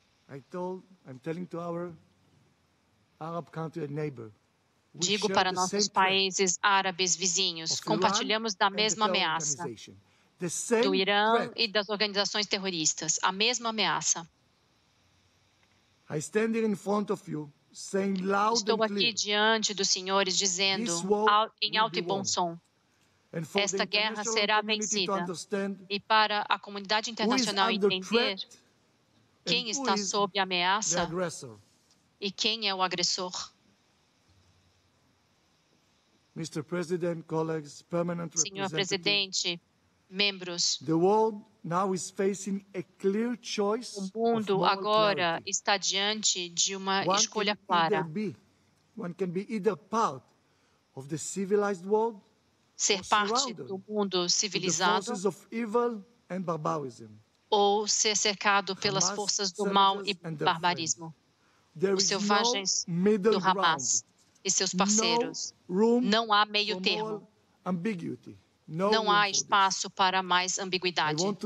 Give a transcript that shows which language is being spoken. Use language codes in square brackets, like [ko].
[en] I'm telling to our Arab country and neighbor. [pt] Digo para nossos países árabes vizinhos, compartilhamos da mesma ameaça do Irã e das organizações terroristas, a mesma ameaça. Estou aqui diante dos senhores dizendo em alto e bom som, esta guerra será vencida e para a comunidade internacional entender quem está sob ameaça e quem é o agressor. [en] Mr. President, colleagues, permanent [pt] Senhor Presidente, membros, [en] the world now is facing a clear choice [pt] o mundo agora está diante de uma escolha clara. [en] One can be either part of the civilized world, [pt] ser parte do mundo civilizado, [en] the forces of evil and barbarism. [pt] Ou ser cercado pelas Hamas forças do mal e barbarismo, os selvagens do Hamas e seus parceiros. Não há meio termo. Não há espaço para mais ambiguidade.